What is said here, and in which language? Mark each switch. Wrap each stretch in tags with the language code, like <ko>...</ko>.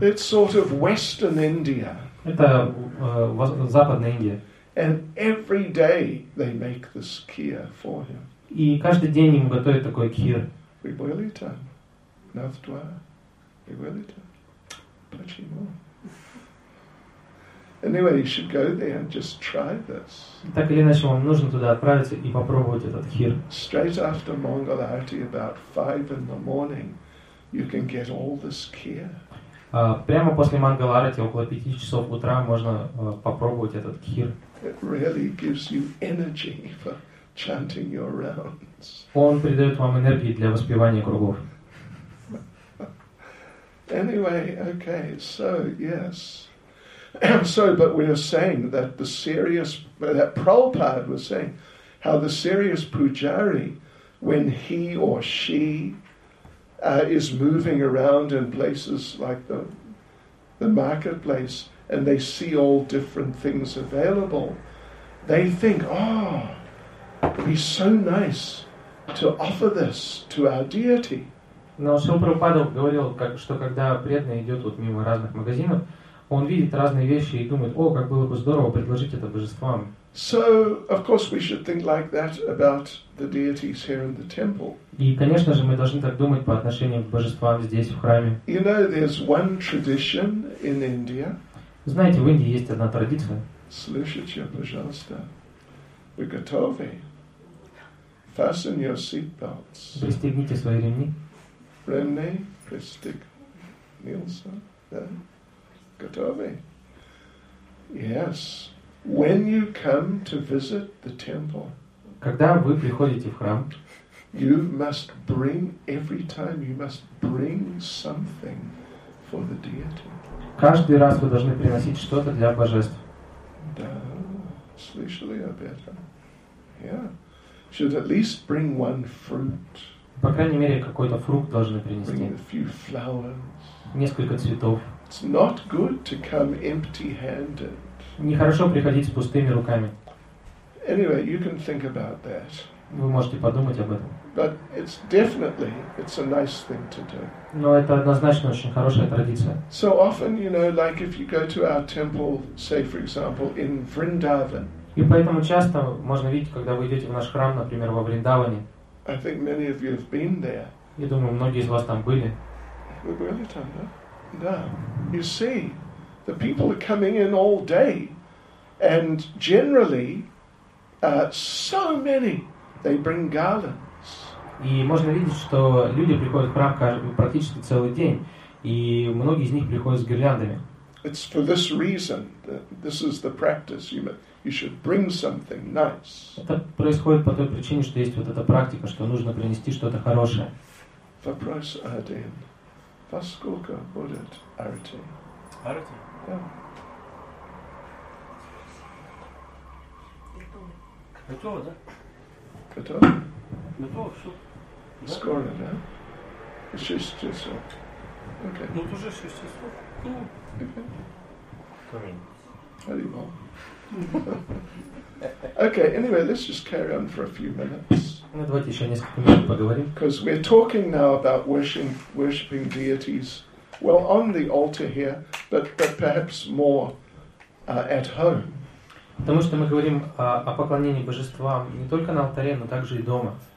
<en>It's sort of Western India.</en> <ru>Это Западная Индия.</ru> <en>And every day they make this kheer for him.</en> <ru>И каждый день ему готовят такой кхир.</ru> <en>We boil it up. Nathdwar. We boil it up.</en> <ru>Почему?</ru> <en>Anyway, you should go there and just try this.</en> <ru>Так или иначе, вам нужно туда отправиться и попробовать этот хир.</ru> <en>Straight after Mangal Arati, about 5 in the morning, you can get all this kheer.</en> <ru>Прямо после Mangal Arati, около 5 часов утра, можно попробовать этот кхир.</ru> <en>It really gives you energy for chanting your rounds.</en> <ru>Он придает вам энергии для воспевания кругов.</ru> <en>Anyway, okay, so yes. So, but we are saying that the serious, that Prabhupada was saying, how the serious pujari, when he or she is moving around in places like the marketplace, and they see all different things available, they think, oh, it'd be so nice to offer this to our deity.</en> <ru>Но Шрила Прабхупада говорил, что когда преданный идет вот мимо разных магазинов, он видит разные вещи и думает, о, как было бы здорово предложить это божествам.</ru> <en>So, of course, we should think like that about the deities here in the temple.</en> <ru>И, конечно же, мы должны так думать по отношению к божествам здесь, в храме.</ru> <en>You know, there's one tradition in India.</en> <ru>Знаете, в Индии есть одна традиция. Слушайте, пожалуйста. Вы готовы?</ru> <en>Fasten your seatbelts.</en> <ru>Пристегните свои ремни. Ремни, пристегнился, да? Готовы?</ru> <en>Yes. When you come to visit the temple,</en> <ru>когда вы приходите в храм,</ru> <en>you must bring something for the deity.</en> <ru>Каждый раз вы должны приносить что-то для божеств. Да, слышали об этом?</ru> <en>Yeah. Should at least bring one fruit.</en> <ru>По крайней мере, какой-то фрукт должны принести.</ru> <en>Bring a few flowers.</en> <ru>Несколько цветов.</ru> <en>It's not good to come empty-handed.</en> <ru>Нехорошо приходить с пустыми руками.</ru> <en>Anyway, you can think about that.</en> <ru>Вы можете подумать об этом.</ru> <en>But it's definitely, it's a nice thing to do.</en> <ru>Но это однозначно очень хорошая традиция.</ru> <en>So often, you know, like if you go to our temple, say, for example, in Vrindavan.</en> <ru>И поэтому часто можно видеть, когда вы идете в наш храм, например, во Вриндаване.</ru> <en>I think many of you have been there.</en> <ru>Я думаю, многие из вас там были. Вы были там, да? Да.</ru> <en>You see, the people are coming in all day, and generally, so many, they bring garlands.</en> <ru>И можно видеть, что люди приходят в храм практически целый день, и многие из них приходят с гирляндами.</ru> <en>It's for this reason that this is the practice. You should bring something nice.</en> <ru>Это происходит по той причине, что есть вот эта практика, что нужно принести что-то хорошее. Вопрос один. Во сколько будет арати? Арати? Да. Готово, да? Готово? Готово, все. Скоро, да? Да? 6 часов. Окей. Ну, уже 6 часов.</ru> <en>Okay. Very well. Okay, anyway, let's just carry on for a few minutes.</en> <ru>Давайте еще несколько минут поговорим.</ru> <en>Because we're talking now about worshiping deities, well, on the altar here, but perhaps more at home.</en> <ru>Потому что мы говорим о поклонении божествам не только на алтаре, но также и дома.</ru>